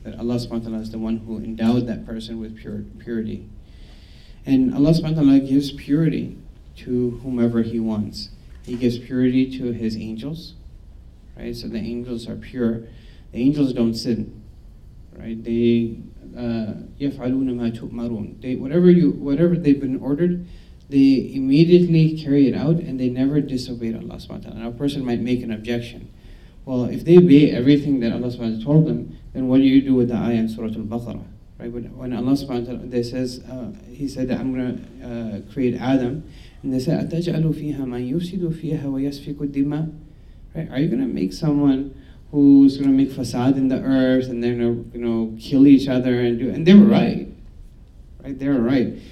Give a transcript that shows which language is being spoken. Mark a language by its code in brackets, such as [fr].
[en] That Allah subhanahu wa ta'ala is the one who endowed that person with purity. And Allah subhanahu wa ta'ala gives purity to whomever He wants. He gives purity to His angels, right? So the angels are pure. The angels don't sin, right? They [ar] يَفْعَلُونَ مَا تُؤْمَرُونَ. [en] Whatever they've been ordered, they immediately carry it out and they never disobey Allah subhanahu wa ta'ala. Now a person might make an objection. Well, if they obey everything that Allah subhanahu wa ta'ala told them, then what do you do with the ayah in Surah Al-Baqarah? Right, when Allah subhanahu wa ta'ala, they says, He said, I'm going to create Adam. And they said, [ar] أَتَجْعَلُ فِيهَا مَنْ يُفْسِدُ فِيهَا وَيَسْفِكُ الدِّمَى. [en] Right? Are you going to make someone who's going to make facade in the earth and they're going to, you know, kill each other and do, and they were right. Right? They were right.